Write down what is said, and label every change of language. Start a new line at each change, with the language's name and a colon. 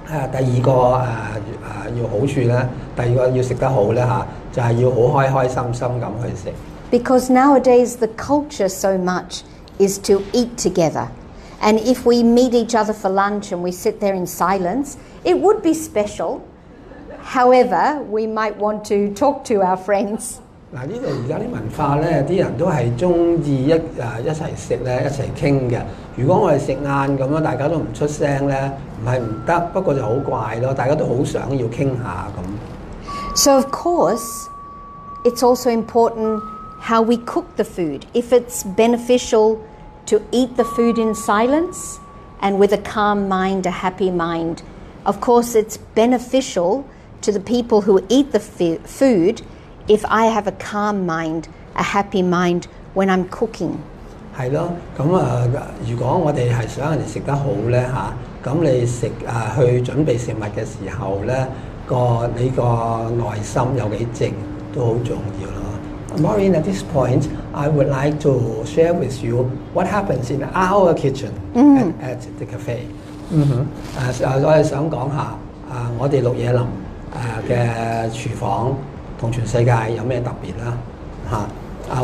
Cantonese: 第二個要好處咧，第二個要食得好咧嚇，就係要好開開心心咁去食。
English: Because nowadays the culture so much is to eat together, and if we meet each other for lunch and we sit there in silence, it would be special. However, we might want to talk to our friends.
Cantonese: 嗱，呢度而家啲文化咧，啲人都係中意一齊食咧，一齊傾嘅。如果我哋食晏咁樣，大家都唔出聲咧，唔係唔得，不過就好怪咯。大家都好想要傾下咁。
English: So of course, it's also important how we cook the food. If it's beneficial to eat the food in silence and with a calm mind, a happy mind, of course it's beneficial to the people who eat the food. If I have a calm mind, a happy mind when I'm cooking.
Cantonese: 係咯，咁如果我哋係想人哋食得好咧嚇，咁你食去準備食物嘅時候咧，你個內心有幾靜都好重要咯。
English: Maureen, at this point, I would like to share with you what happens in our kitchen at the cafe.
Cantonese: 我係想講下我哋綠野林嘅廚房同全世界有咩特別啦嚇。